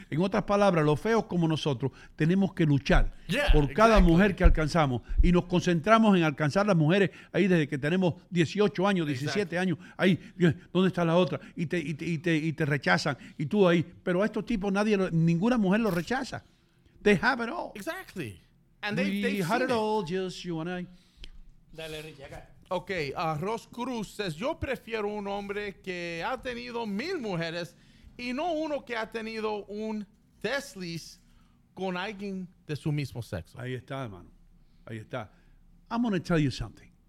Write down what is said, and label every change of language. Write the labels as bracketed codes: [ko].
[es] En otras palabras, los feos como nosotros tenemos que luchar por cada [en] exactly. [es] mujer que alcanzamos. Y nos concentramos en alcanzar las mujeres ahí desde que tenemos 18 años, 17 exactly. años. Ahí, ¿dónde está la otra? Y te rechazan. Y tú ahí. Pero a estos tipos ninguna mujer lo rechaza. [en] They have it all. Exactly. And they had it all, just you and I. [es] Dale, Rich, acá. [en] Ok, Ross Cruz says, [es] yo prefiero un hombre que ha tenido 1,000 mujeres y no uno que ha tenido un desliz con alguien de su mismo sexo. Ahí está, hermano. Ahí está. [en] I'm going to tell you something.